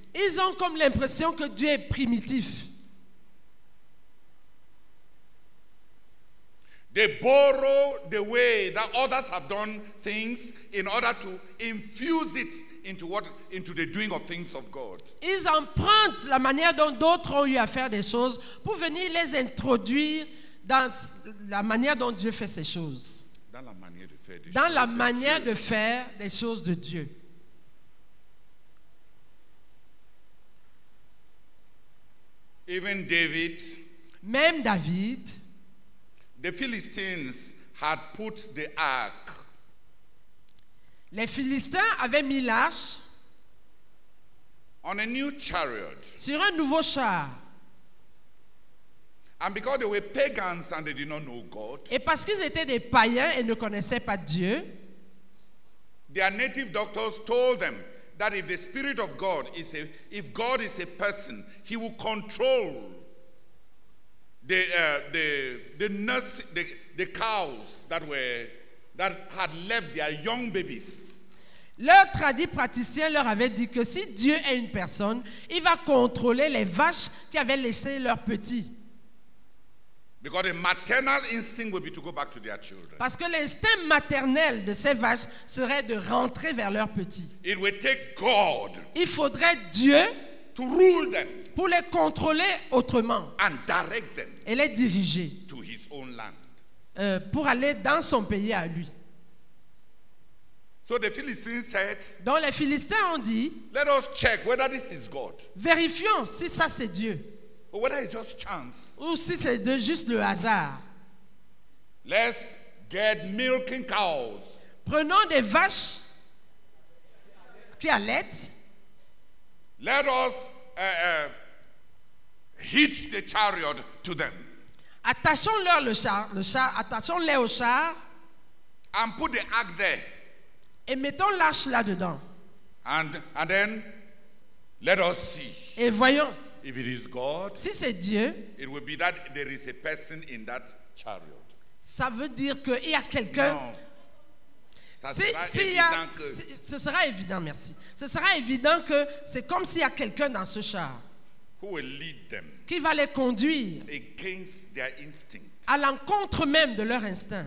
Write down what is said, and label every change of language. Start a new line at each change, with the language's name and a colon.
French: Ils ont comme l'impression que Dieu est primitif.
English: They borrow the way that others have done things in order to infuse it into the doing of things of God.
French: Ils empruntent la manière dont d'autres ont eu à faire des choses pour venir les introduire dans la manière dont Dieu fait ces choses. Dans la manière de faire des dans la manière de faire des choses de Dieu.
English: Even David.
French: Même David.
English: The Philistines had put the ark.
French: Les Philistins avaient mis l'arche.
English: On a new chariot.
French: Sur un nouveau char.
English: And because they were pagans and they did not know God.
French: Et parce qu'ils étaient des païens et ne connaissaient pas Dieu.
English: Their native doctors told them that if the Spirit of God is a if God is a person, he will control the cows that had left their young babies.
French: Leur tradit praticien leur avait dit que si Dieu est une personne, il va contrôler les vaches qui avaient laissé leurs petits.
English: Because the maternal instinct would be to go back to their children.
French: Parce que l'instinct maternel de ces vaches serait de rentrer vers leurs petits.
English: It would take God.
French: Il faudrait Dieu
English: to rule them.
French: Pour les contrôler autrement.
English: And direct them.
French: Et les diriger.
English: To his own land.
French: Pour aller dans son pays à lui.
English: So the Philistines said.
French: Donc les Philistins ont dit.
English: Let us check whether this is God.
French: Vérifions si ça c'est Dieu.
English: Or whether it's just chance.
French: Ou si c'est de juste le hasard.
English: Let's get milking cows.
French: Prenons des vaches qui allaitent.
English: Let us hitch the chariot to them.
French: Attachons-leur le char. Attachons-les au char.
English: And put the ark there.
French: Et mettons l'arche là-dedans.
English: And then let us see.
French: Et voyons.
English: If it is God,
French: si c'est Dieu,
English: it will be that there is a person in that chariot.
French: Ça veut dire que il y a quelqu'un. Ce sera évident, merci. Ce sera évident que c'est comme s'il y a quelqu'un dans ce char.
English: Who will lead them?
French: Qui va les conduire?
English: Against their instinct.
French: À l'encontre même de leur instinct.